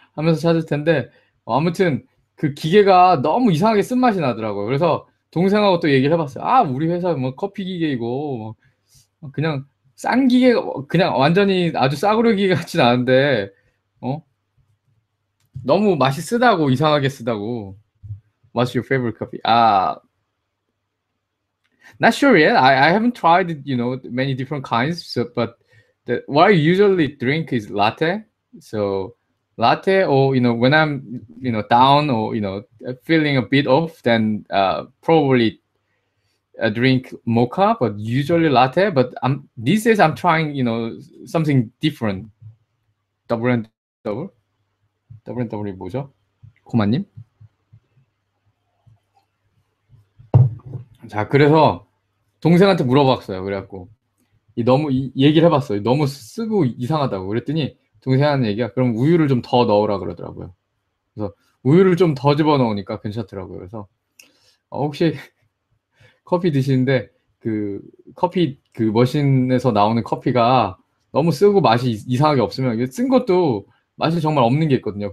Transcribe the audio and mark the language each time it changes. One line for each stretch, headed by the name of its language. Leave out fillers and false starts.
Korean: 하면서 찾을 텐데, 아무튼 그 기계가 너무 이상하게 쓴맛이 나더라고요. 그래서 동생하고 또 얘기를 해봤어요. 아, 우리 회사 뭐 커피 기계이고, 그냥 싼 기계가, 그냥 완전히 아주 싸구려 기계 같진 않은데, 너무 맛이 쓰다고, 이상하게 쓰다고.
English: What's your favorite coffee? Not sure yet. I haven't tried, many different kinds, but what I usually drink is latte. So latte, or when I'm down or feeling a bit off, then probably a drink mocha, but usually latte. But these days I'm trying, something different. Double and double이
Korean: 뭐죠? 고마님. 자, 그래서 동생한테 물어봤어요. 그래갖고 너무 얘기를 해봤어요. 너무 쓰고 이상하다고. 그랬더니 동생한테 얘기가, 그럼 우유를 좀더 넣으라 그러더라고요. 그래서 우유를 좀더 집어넣으니까 괜찮더라고요. 그래서 혹시 커피 드시는데 그 커피 그 머신에서 나오는 커피가 너무 쓰고 맛이 이상하게 없으면, 쓴 것도 맛이 정말 없는 게 있거든요.